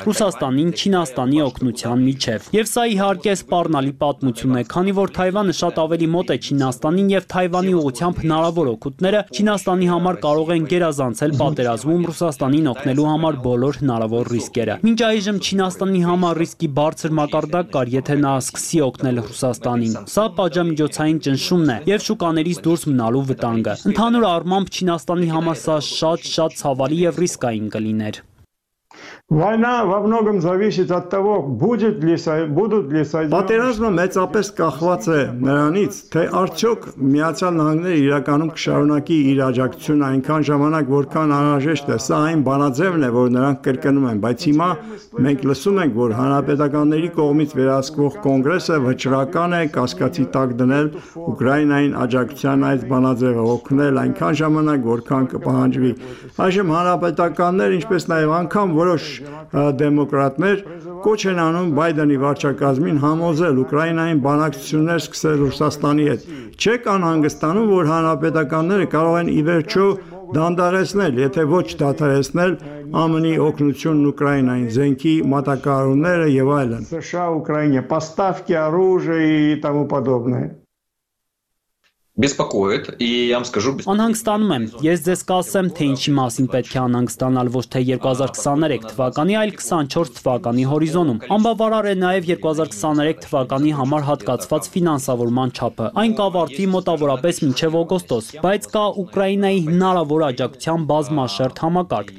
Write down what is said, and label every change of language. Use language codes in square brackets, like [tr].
[hy] Ռուսաստանին Չինաստանի օգնության միջև։ Եվ սա իհարկե սպառնալի պատմություն է, քանի որ Թայվանը շատ ավելի մոտ է Չինաստանին և Թայվանի ուղղությամբ հնարավոր օգուտները Չինաստանի համար կարող են գերազանցել պատերազմում Ռուսաստանին օգնելու համար բոլոր հնարավոր ռիսկերը։ Մինչ այժմ Չինաստանի համար ռիսկի բարձր մակարդակ կար, եթե նա սկսի օգնել Ռուսաստանին։ Սա պատժամիջոցային ճնշումն է և շուկաներից դուրս մնալու վտանգը։ Ընդհանուր առմամբ Չինաստանի համար սա շատ ցավալի և ռիսկային կլիներ։ [ru] Война во многом зависит от того, будет ли будут ли Соединённые. [hy] Պատերազմը մեծապես կախված է նրանից, թե արդյոք Միացյալ Նահանգները իրականում կշարունակի իր աջակցությունը այնքան ժամանակ, որքան անհրաժեշտ է։ Սա այն բանաձևն է, որ նրանք կրկնում են, բայց հիմա մենք լսում ենք, որ հանրապետականների կողմից վերահսկվող կոնգրեսը վճռական է կասկածի տակ դնել Ուկրաինային աջակցության այդ բանաձևը օգնել այնքան ժամանակ, որքան կպահանջվի։ Այժմ հանրապետականներ, ինչպես նաև անգամ դեմոկրատներ կոչ են անում Բայդենի վարչակազմին համոզել Ուկրաինային բանակցություններ սկսել Ռուսաստանի հետ։ Չեք անհանգստանում, որ հանրապետականները կարող են ի վերջո դանդաղեցնել, եթե ոչ դադարեցնել ԱՄՆ-ի օգնությունն Ուկրաինային, զենքի մատակարարումները եւ այլն։ [ru] США, Ուկրաինա, поставки оружия и тому подобное. Беспокоит, и я вам скажу. [hy] Անհանգստանում եմ։ Ես ձեզ կասեմ, թե ինչի մասին պետք է անհանգստանալ, ոչ թե 2023 թվականի, այլ 24 թվականի հորիզոնում։ Անբավարար է նաև 2023 թվականի համար հատկացված ֆինանսավորման չափը։ Այն կավարտվի մոտավորապես մինչև օգոստոս, բայց կա Ուկրաինայի հնարավոր աջակցության բազմաշերտ համակարգ։